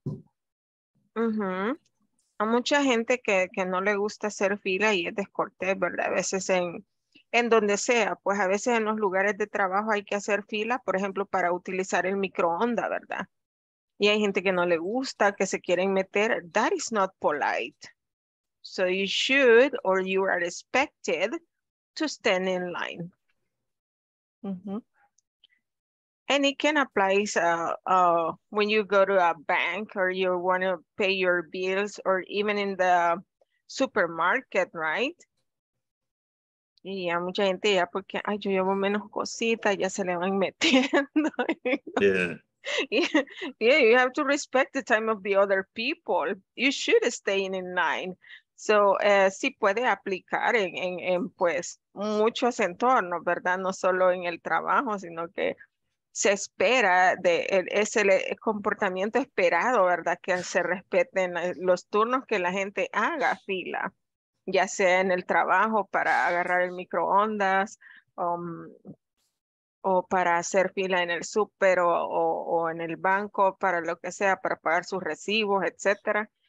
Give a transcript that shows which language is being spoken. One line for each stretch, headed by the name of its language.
Spanish: Uh-huh. A mucha gente que no le gusta hacer fila y es descortés, ¿verdad? A veces en donde sea, pues a veces en los lugares de trabajo hay que hacer fila, por ejemplo, para utilizar el microondas, ¿verdad? Y hay gente que no le gusta, que se quieren meter.
English: That is not polite. So you should, or you are expected, to stand in line. Mm-hmm. And it can apply when you go to a bank or you want to pay your bills or even in the supermarket, right?
Spanish: Y ya mucha gente ya porque, ay, yo llevo menos cositas, ya se le van metiendo.
English: Yeah. Yeah, you have to respect the time of the other people. You should stay in line.
Spanish: So, sí puede aplicar en pues muchos entornos, ¿verdad? No solo en el trabajo, sino que se espera, es el comportamiento esperado, ¿verdad? Que se respeten los turnos que la gente haga fila, ya sea en el trabajo para agarrar el microondas o para hacer fila en el súper o en el banco, para lo que sea, para pagar sus recibos, etcétera.